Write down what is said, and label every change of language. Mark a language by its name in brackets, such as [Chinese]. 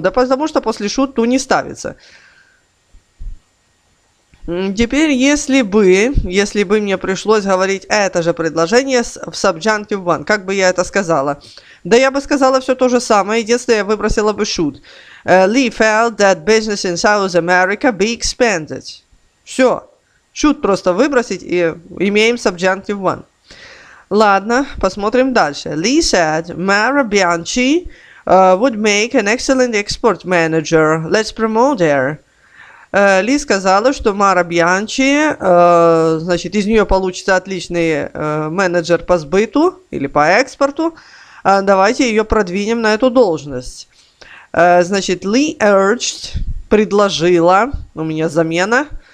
[Russian] Да потому что после should to не ставится. Теперь, если бы мне пришлось говорить это же предложение в subjunctive one, как бы я это сказала? Да я бы сказала все то же самое, единственное, я выбросила бы should. [English] Lee felt that business in South America be expanded. [Russian] Все. Should просто выбросить и имеем subjunctive one. Ладно, посмотрим дальше. [English] Lee said, Mara Bianchi would make an excellent export manager. Let's promote her. [Russian] Ли сказала, что Мара Бьянчи, значит, из нее получится отличный менеджер по сбыту или по экспорту. Давайте ее продвинем на эту должность. Значит, Ли urged, предложила, у меня замена.